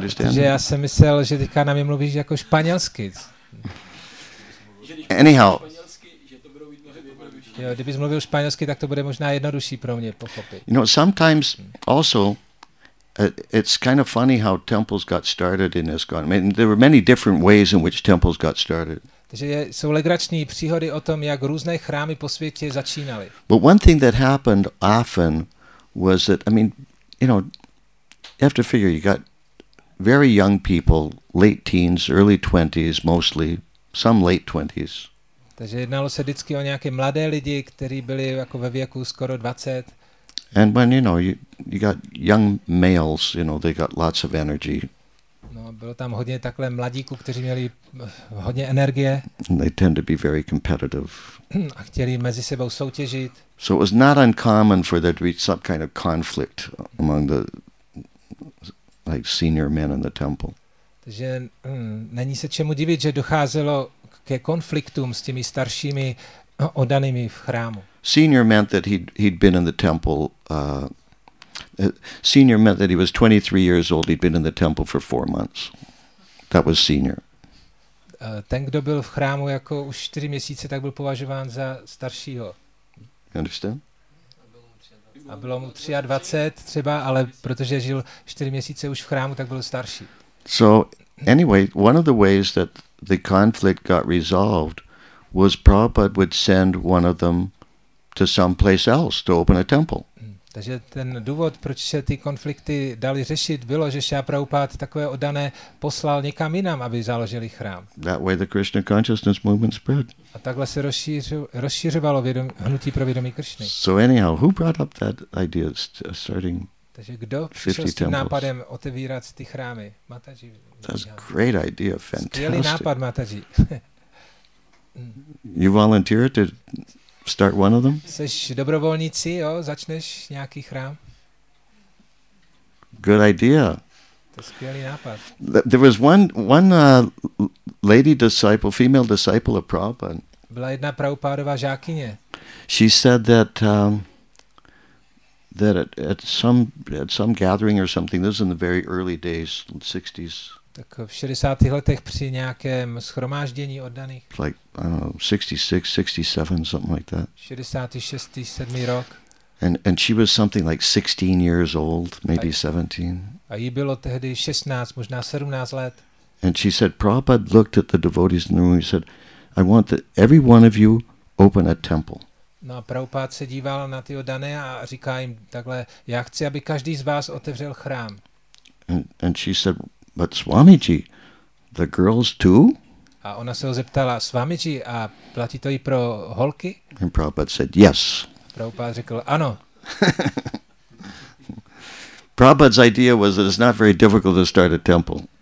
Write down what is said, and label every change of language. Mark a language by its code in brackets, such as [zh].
[cs] Že já jsem myslel, že teďka na mě mluvíš jako španělsky. [en] Anyhow. [cs] Jo, kdybys mluvil španělsky, tak to bude možná jednodušší pro mě pochopit. [en] You know, sometimes also, it's kind of funny how temples got started in Iskon. I mean, there were many different ways in which temples got started. [cs] Takže jsou legrační příhody o tom, jak různé chrámy po světě začínaly. [en] But one thing that happened often was that, I mean, you know, you have to figure, you got very young people, late teens, early 20s mostly, some late 20s. [cs] Takže jednalo se vždycky o nějaké mladé lidi, kteří byli jako ve věku skoro 20. [en] And when, you know, you got young males, you know, they got lots of energy. [cs] No, bylo tam hodně takhle mladíků, kteří měli hodně energie. [en] And they tend to be very competitive. [cs] A chtěli mezi sebou soutěžit. [en] So it was not uncommon for there to be some kind of conflict among the like senior men in the temple. [cs] Takže není se čemu divit, že docházelo ke konfliktům s těmi staršími oddanými v chrámu. [en] Senior meant that he'd been in the temple senior meant that he was 23 years old, he'd been in the temple for 4 months. That was senior. [cs] Ten, kdo byl v chrámu jako už 4 měsíce, tak byl považován za staršího. [en] You understand? [cs] A bylo mu 23 třeba, ale protože žil 4 měsíce už v chrámu, tak byl starší. [en] So anyway, one of the ways that the conflict got resolved was Prabhupada would send one of them to some place else to open a temple. [cs] Takže ten důvod, proč se ty konflikty dali řešit, bylo, že Šrila Prabhupáda takové oddané poslal někam jinam, aby založili chrám. [en] That way the Krishna consciousness movement spread. [cs] A takhle se rozšířovalo hnutí pro vědomí Kršny. [en] So anyhow, who brought up that idea of starting 50 temples? [cs] Takže kdo přišel s tím nápadem otevírat ty chrámy? [en] Mataji. That's a great idea, fantastic. [cs] Skvělý nápad, Mataji. [en] You volunteer to start one of them? [cs] Seš dobrovolníci, jo, začneš nějaký chrám? [en] Good idea. [cs] To je skvělý nápad. [en] There was one lady disciple, female disciple of Prabhupada. [cs] Byla jedna Prabhupádova žákyně. [en] She said that that at some gathering or something, this is in the very early days, 60s. [cs] Tak v 60. letech při nějakém shromáždění oddaných. [en] Like, I don't know, 66, 67, something like that. [cs] 66, 67 rok. [en] And she was something like 16 years old, maybe 17. [cs] A jí bylo tehdy 16, možná 17 let. [en] And she said, Prabhupada looked at the devotees in the room, he said, I want that every one of you open a temple. [cs] No a Prabhupada se díval na ty oddané a říká jim takhle, já chci, aby každý z vás otevřel chrám. [en] And she said, but Swamiji, the girls too? [cs] A ona se ho zeptala, Swamiji, a platí to i pro holky? [en] And Prabhupada said, yes. [cs] Prabhupada řekl, ano. [en] Prabhupada's idea was that it's not very difficult to start a temple.